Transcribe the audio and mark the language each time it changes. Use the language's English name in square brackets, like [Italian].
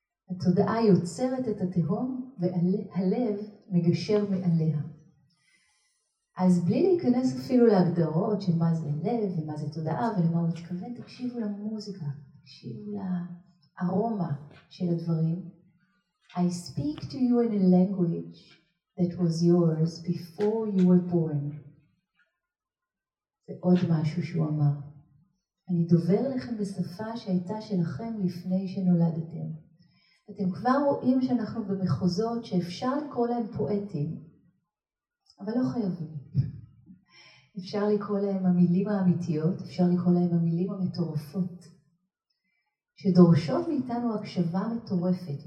[Hebrew] התודעה יוצרת את התהום והלב מגשר מעליה. אז בלי להיכנס אפילו להגדרות של מה זה לב ומה זה תודעה ולמה הוא מתכוון, תקשיבו למוזיקה, תקשיבו לארומה של הדברים. [English] I speak to you in a language that was yours before you were born. [Hebrew] זה עוד משהו שהוא אמר. אני דובר לכם בשפה שהייתה שלכם לפני שנולדתם. אתם כבר רואים שאנחנו במחוזות שאפשר לקרוא להם פואטים, אבל לא חייבים. אפשר לקרוא להם המילים האמיתיות, אפשר לקרוא להם המילים המטורפות, שדורשות מאיתנו הקשבה מטורפת.